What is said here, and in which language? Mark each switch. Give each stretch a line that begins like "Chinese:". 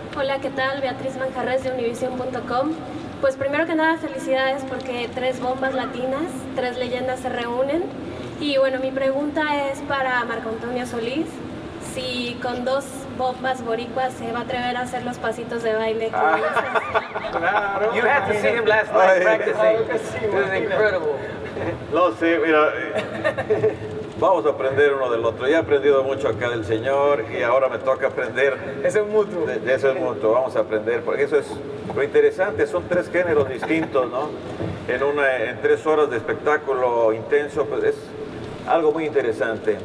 Spanish: Hola, ¿qué tal? Beatriz Manjarres de Univision.com. Pues primero que nada, felicidades porque tres bombas latinas, tres leyendas se reúnen. Y bueno, mi pregunta es para Marco Antonio Solís. Si con dos bombas boricuas se va a atrever a hacer los pasitos de baile. Que claro.
English: You had to see him last night practicing. It was incredible.
Spanish: No, sí, mira, vamos a aprender uno del otro. Ya he aprendido mucho acá del señor y ahora me toca aprender. Eso es mutuo. Eso es mutuo, vamos a aprender. Porque eso es lo interesante, son tres géneros distintos, ¿no? En tres horas de espectáculo intenso, pues es algo muy interesante.